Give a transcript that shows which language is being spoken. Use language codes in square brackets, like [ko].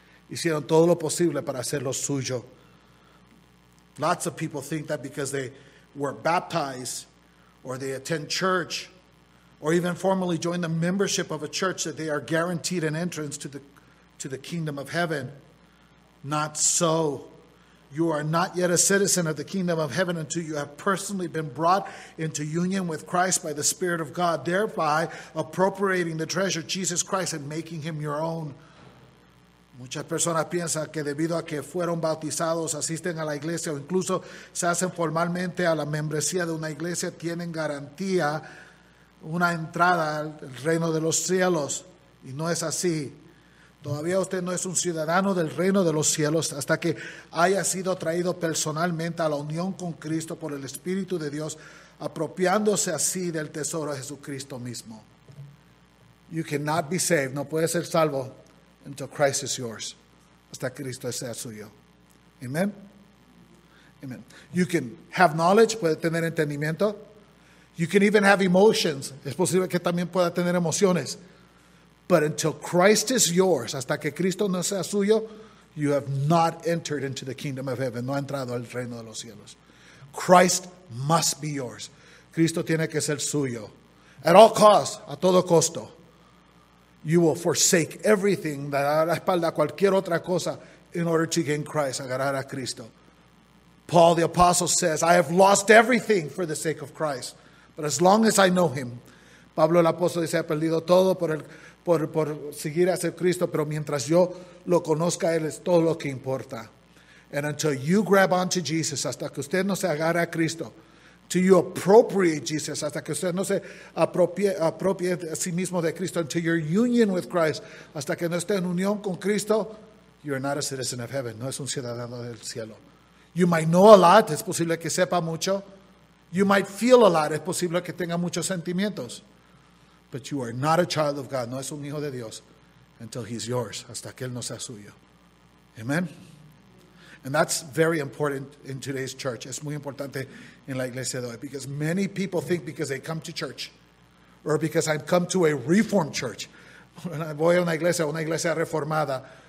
[es] Hicieron todo lo posible para hacerlo suyo. [en] Lots of people think that because they were baptized or they attend church or even formally join the membership of a church that they are guaranteed an entrance to the kingdom of heaven. Not so. You are not yet a citizen of the kingdom of heaven until you have personally been brought into union with Christ by the Spirit of God, thereby appropriating the treasure of Jesus Christ and making him your own. [es] Muchas personas piensan que debido a que fueron bautizados, asisten a la iglesia o incluso se hacen formalmente a la membresía de una iglesia, tienen garantía una entrada al reino de los cielos. Y no es así. Todavía usted no es un ciudadano del reino de los cielos hasta que haya sido traído personalmente a la unión con Cristo por el Espíritu de Dios, apropiándose así del tesoro de Jesucristo mismo. [en] You cannot be saved. [es] No puede ser salvo [en] until Christ is yours. [es] Hasta Cristo sea suyo. Amen. Amen. [en] You can have knowledge. [es] Puede tener entendimiento. [en] You can even have emotions. [es] Es posible que también pueda tener emociones. [en] But until Christ is yours, [es] hasta que Cristo no sea suyo, [en] you have not entered into the kingdom of heaven. [es] No ha entrado al reino de los cielos. [en] Christ must be yours. [es] Cristo tiene que ser suyo. [en] At all costs, [es] a todo costo, [en] you will forsake everything, [es] dar la espalda a cualquier otra cosa, [en] in order to gain Christ, [es] agarrar a Cristo. [en] Paul the Apostle says, I have lost everything for the sake of Christ. But as long as I know him, [es] Pablo el Apóstol dice, ha perdido todo por seguir a ser Cristo, pero mientras yo lo conozca, Él es todo lo que importa. [en] And until you grab onto Jesus, [es] hasta que usted no se agarre a Cristo, [en] till you appropriate Jesus, [es] hasta que usted no se apropie a sí mismo de Cristo, [en] until your union with Christ, [es] hasta que no esté en unión con Cristo, [en] you are not a citizen of heaven, [es] no es un ciudadano del cielo. [en] You might know a lot, [es] es posible que sepa mucho. [en] You might feel a lot, [es] es posible que tenga muchos sentimientos. [en] But you are not a child of God. [es] No es un hijo de Dios [en] until he's yours. [es] Hasta que él no sea suyo. Amen? [en] And that's very important in today's church. [es] Es muy importante en la iglesia de hoy. [en] Because many people think because they come to church or because I've come to a reformed church. [es] Voy a una iglesia reformada.